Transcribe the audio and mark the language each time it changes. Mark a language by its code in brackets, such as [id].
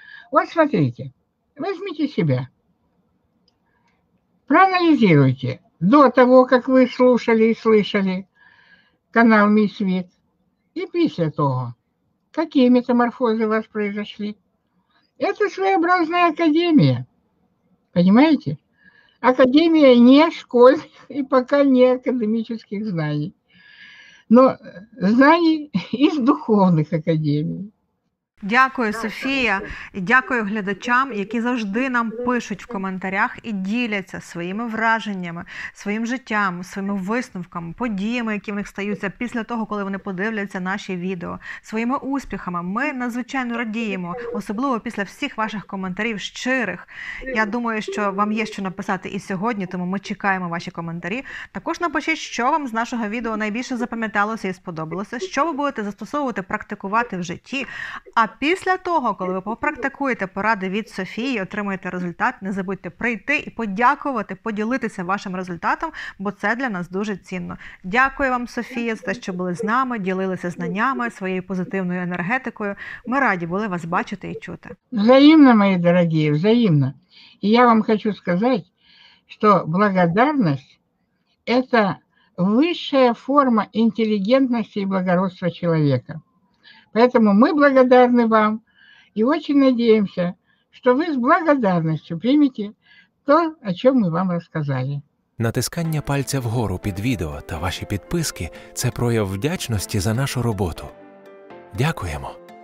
[ru] Вот смотрите, возьмите себя. Проанализируйте до того, как вы слушали и слышали канал Мисс Вит, и после того, какие метаморфозы у вас произошли. Это своеобразная академия, понимаете? Академия не школьных и пока не академических знаний, но знаний из духовных академий. [uk] Дякую, Софія, і дякую глядачам, які завжди нам пишуть в коментарях і діляться своїми враженнями, своїм життям, своїми висновками, подіями, які в них стаються після того, коли вони подивляться наші відео, своїми успіхами. Ми надзвичайно радіємо, особливо після всіх ваших коментарів щирих. Я думаю, що вам є що написати і сьогодні, тому ми чекаємо ваші коментарі. Також напишіть, що вам з нашого відео найбільше запам'яталося і сподобалося, що ви будете застосовувати, практикувати в житті. А після того, коли ви попрактикуєте поради від Софії, отримаєте результат, не забудьте прийти і подякувати, поділитися вашим результатом, бо це для нас дуже цінно. Дякую вам, Софія, за те, що були з нами, ділилися знаннями, своєю позитивною енергетикою. Ми раді були вас бачити і чути. Взаємно, мої дорогі, взаємно. І я вам хочу сказати, що благодарність – це вища форма інтелігентності і благородства чоловіка. [ru] Поэтому мы благодарны вам и очень надеемся, что вы с благодарностью примете то, о чем мы вам рассказали. [uk] Натискання пальця вгору під відео та ваші підписки – це прояв вдячності за нашу роботу. Дякуємо!